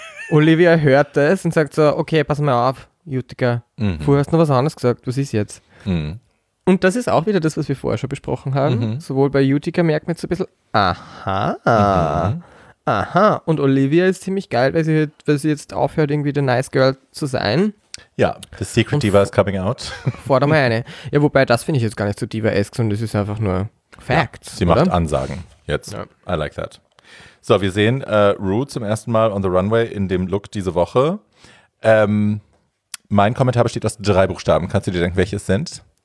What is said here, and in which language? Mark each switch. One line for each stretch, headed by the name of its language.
German: Olivia hört das und sagt so, okay, pass mal auf. Utica, vorher hast du noch was anderes gesagt, was ist jetzt? Und das ist auch wieder das, was wir vorher schon besprochen haben. Sowohl bei Utica merkt man jetzt so ein bisschen, aha. Und Olivia ist ziemlich geil, weil sie jetzt aufhört, irgendwie der nice girl zu sein.
English: Ja, the secret diva is coming out.
German: Fordere mal eine. Ja, wobei, das finde ich jetzt gar nicht so diva-esque, sondern das ist einfach nur Facts. Ja, sie macht Ansagen jetzt. Ja.
English: I like that.
German: So, wir sehen Rue zum ersten Mal
English: on the runway
German: in dem Look diese Woche. Mein Kommentar besteht aus drei Buchstaben. Kannst du dir denken, welche es sind?